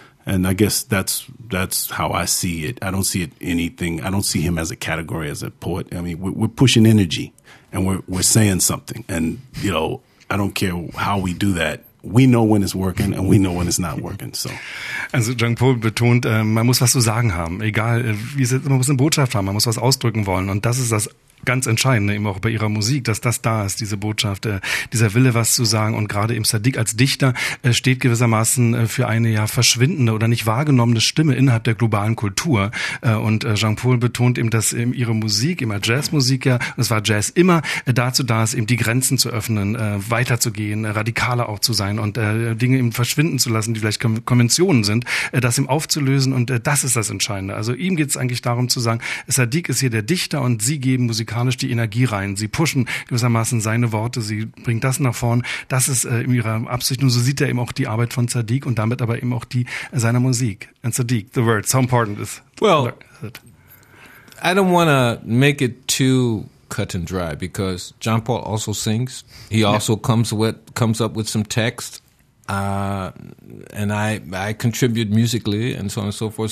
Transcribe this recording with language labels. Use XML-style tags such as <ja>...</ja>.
<en>And I guess that's how I see it. I don't see it anything. I don't see him as a category, as a poet. I mean, we're pushing energy and we're saying something. And, you know, I don't care how we do that. We know when it's working and we know when it's not working. So.</en> <de>Also Jean-Paul betont, man muss was zu sagen haben. Egal, wie es jetzt, man muss eine Botschaft haben, man muss was ausdrücken wollen. Und das ist das ganz Entscheidende eben auch bei ihrer Musik, dass das da ist, diese Botschaft, dieser Wille, was zu sagen. Und gerade eben Sadiq als Dichter steht gewissermaßen für eine ja verschwindende oder nicht wahrgenommene Stimme innerhalb der globalen Kultur. Und Jean-Paul betont eben, dass eben ihre Musik, immer Jazzmusik ja, und es war Jazz immer, dazu da ist, eben die Grenzen zu öffnen, weiterzugehen, radikaler auch zu sein und Dinge eben verschwinden zu lassen, die vielleicht Konventionen sind, das eben aufzulösen. Und das ist das Entscheidende. Also ihm geht es eigentlich darum zu sagen, Sadiq ist hier der Dichter und sie geben Musik musikalisch die Energie rein. Sie pushen gewissermaßen seine Worte, sie bringt das nach vorn. Das ist in ihrer Absicht. Und so sieht er eben auch die Arbeit von Sadiq und damit aber eben auch die seiner Musik.</de> <en>And Sadiq, the words, how important is it? Well, I don't want to make it too cut and dry because Jean-Paul also sings. He also comes up with some text and I contribute musically and so on and so forth.</en>